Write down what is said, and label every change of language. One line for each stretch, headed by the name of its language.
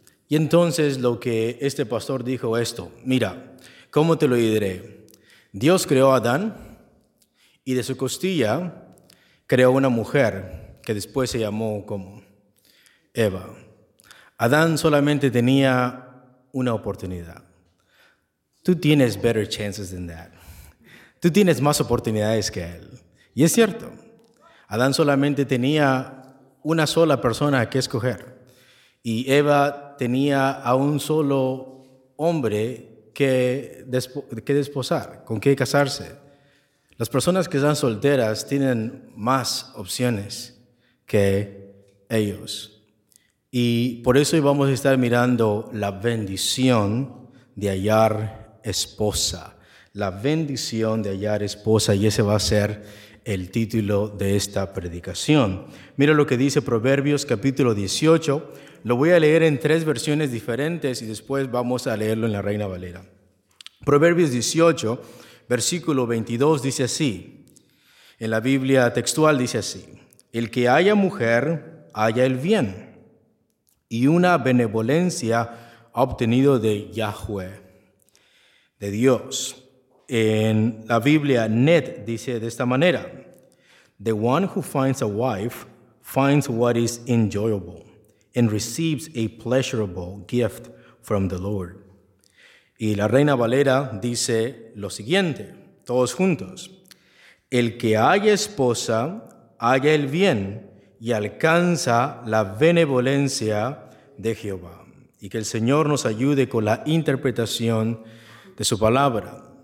Spanish: Y entonces lo que este pastor dijo esto, mira, ¿cómo te lo diré? Dios creó a Adán y de su costilla creó una mujer que después se llamó como Eva. Adán solamente tenía una oportunidad. Tú tienes
English: better chances than that.
Spanish: Tú tienes más oportunidades que él. Y es cierto. Adán solamente tenía una sola persona que escoger. Y Eva tenía a un solo hombre que desposar, con qué casarse. Las personas que están solteras tienen más opciones que ellos. Y por eso hoy vamos a estar mirando la bendición de hallar esposa, la bendición de hallar esposa, y ese va a ser el título de esta predicación. Mira lo que dice Proverbios capítulo 18, lo voy a leer en tres versiones diferentes y después vamos a leerlo en la Reina Valera. Proverbios 18, versículo 22 dice así, en la Biblia textual dice así, el que haya mujer, haya el bien y una benevolencia ha obtenido de Yahweh, de Dios. En la Biblia, NET dice de esta manera,
English: the one who finds a wife finds what is enjoyable and receives a pleasurable gift from the Lord.
Spanish: Y la Reina Valera dice lo siguiente, todos juntos, el que haya esposa, haya el bien y alcanza la benevolencia de Jehová. Y que el Señor nos ayude con la interpretación de su palabra.